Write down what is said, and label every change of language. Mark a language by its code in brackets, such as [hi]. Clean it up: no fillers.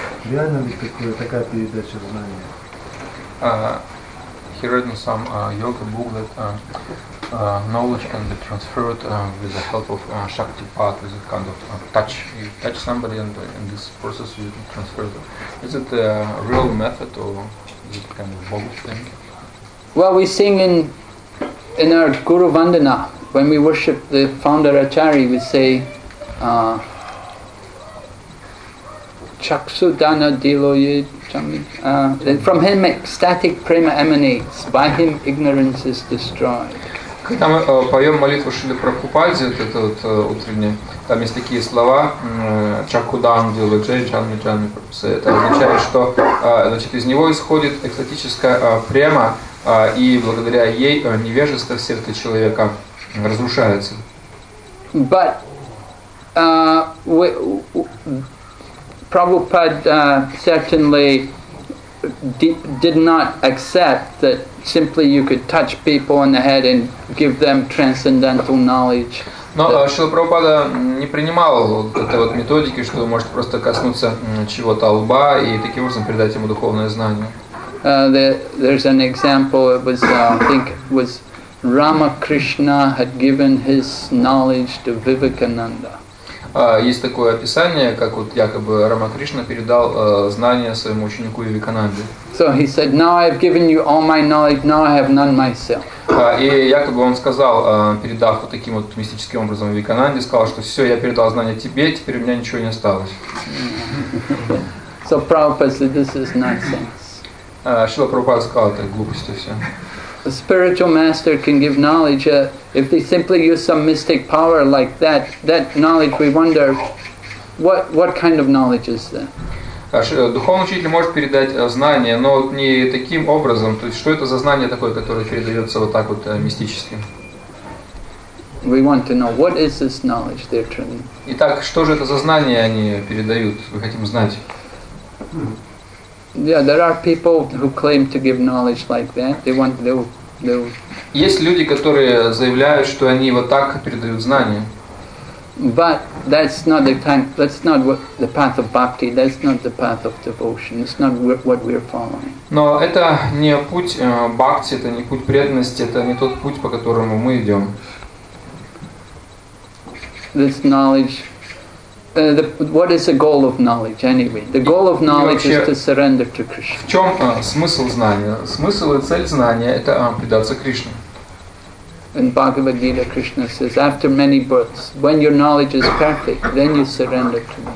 [ru] Реально ли такое, такая передача знания? [en] Hearing some yoga booklet, knowledge can be transferred with the help of Shaktipat, with a kind of touch. You touch somebody and in this process you transfer them. Is it a real method or is it kind of bogus thing? Well, we sing in our Guru Vandana, when we worship the founder Acharya, we say Chakshudana Diloye Chami. From him ecstatic prema emanates, by him ignorance is destroyed. [ru] Когда мы поем молитву Шрилы Прабхупаде, это вот утреннее, там есть такие слова Чакудан Диловиджей Чанми Чанми Прабхупаде. Это означает, что значит, из него исходит экстатическая према, и благодаря ей невежество в сердце человека разрушается. [en] But Prabhupada certainly did not accept that simply you could touch people on the head and give them transcendental knowledge. [ru] Но Шрила Прабхупада не принимал вот этой вот методики, что вы можете просто коснуться чего-то лба и таким образом передать ему духовное знание. [en] There's an example. It was I think Ramakrishna had given his knowledge to Vivekananda. [ru] Есть такое описание, как вот якобы Рамакришна передал знания своему ученику Вивекананде. [en] So he said, now I have given you all my knowledge. Now I have none myself. [ru] И якобы он сказал, передав вот таким вот мистическим образом Вивекананде, сказал, что все, я передал знания тебе, теперь у меня ничего не осталось. [en] So Prabhupada said, this is nonsense. [ru] Шрила Прабхупада сказал, это глупость и все. [en] A spiritual master can give knowledge if they simply use some mystic power like that. That knowledge, we wonder, what kind of knowledge is that? [ru] Духовный учитель может передать знание, но не таким образом. То есть, что это за знание такое, которое передается вот так вот мистически? [en] We want to know what is this knowledge they're training. [ru] Итак, что же это за знание они передают? Мы хотим знать. [en] Yeah, there are people who claim to give knowledge like that. They want [ru] Есть люди, которые заявляют, что они вот так передают знания. [en] But that's not the kind. That's not what the path of bhakti. That's not the path of devotion. It's not what we're following. [ru] Но это не путь бхакти, это не путь преданности, это не тот путь, по которому мы идем. [en] This knowledge. What is the goal of knowledge anyway? The goal of knowledge is to surrender to Krishna. [ru] В чем смысл знания? Смысл и цель знания – это предаться Кришне. [en] In Bhagavad Gita, Krishna says, after many births, when your knowledge is perfect, then you surrender to me.